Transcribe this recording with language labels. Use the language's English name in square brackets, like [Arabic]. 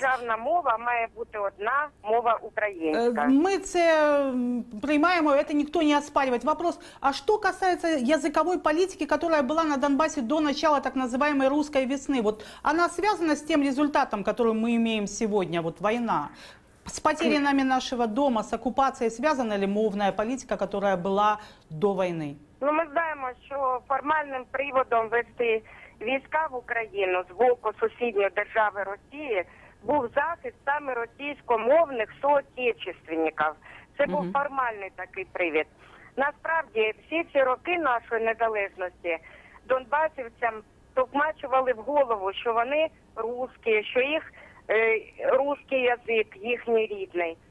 [Ukrainian] Державна мова має бути одна мова українська. Ми це приймаємо, це ніхто не оспарює. Вопрос, а що касається язикової політики, яка була на Донбасі до початку так називаємої «русської весни», вот, вона зв'язана з тим результатом, який ми маємо сьогодні, вот, війна? [Russian] С потерей нами нашего дома, с оккупацией связана ли мовная политика, которая была до войны? Ну, мы знаем, что формальным приводом вести [Ukrainian] війська в Украину с боку сусідньої держави Росії був захист саме російськомовних соотечественников. Це був формальний такий привід. Насправді, всі ці роки нашої незалежності донбасівцям токмачували в голову, що вони русські, що їх [Russian] русский язык, [Ukrainian] їхній рідний.